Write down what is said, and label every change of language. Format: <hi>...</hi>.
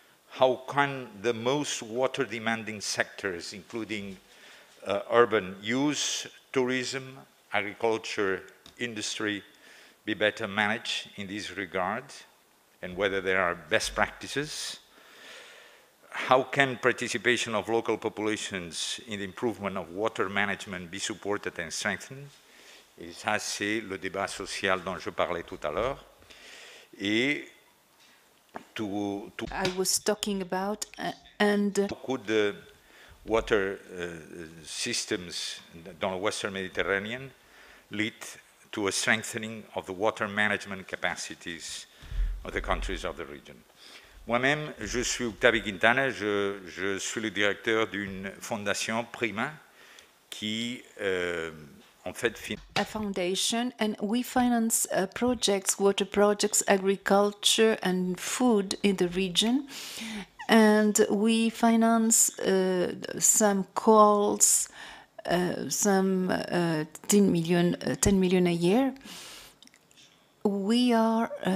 <en>How can the most water-demanding sectors, including urban use, tourism, agriculture, industry, be better managed in this regard? And whether there are best practices? How can participation of local populations in the improvement of water management be supported and strengthened?</en> <fr>Et ça, c'est le débat social dont je parlais tout à l'heure. Et tout.</fr> <en>I was talking about and. How could the water systems</en> <fr>dans le</fr> <en>Western Mediterranean lead to a strengthening of the water management capacities of the countries of the region?</en> <fr>Moi-même, je suis Octavio Quintana, je suis le directeur d'une fondation Prima qui, en fait,</fr> <en>a foundation, and we finance projects, water projects, agriculture and food in the region. And we finance some calls, some 10 million a year. We are</en>